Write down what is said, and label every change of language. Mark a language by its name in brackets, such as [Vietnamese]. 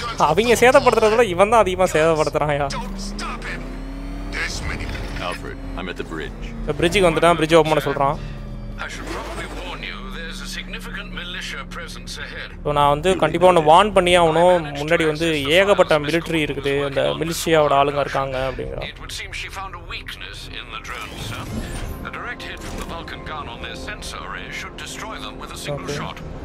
[Tamil] அவங்க சேதப்படுத்துறதுல இவன் தான் அதிகமா சேதப்படுத்துறாயா? [English] Alfred, I'm at the bridge. [Tamil] The bridge க்கு வந்துட்டான். பிரிட்ஜ் ஓபன் பண்ண சொல்றான். [English] I should probably warn you there's a significant militia presence ahead. [Tamil] So நான் வந்து கண்டிப்பா ਉਹ வார்ன் பண்ணியே ஆவணும். முன்னாடி வந்து ஏகப்பட்ட military இருக்குது. அந்த மிலிஷியாவோட ஆளுங்க இருக்காங்க அப்படிங்கறான். [English] It would seem she found a weakness in the drone, sir. A direct hit from the Vulcan gun on their sensor array should destroy them with a single shot.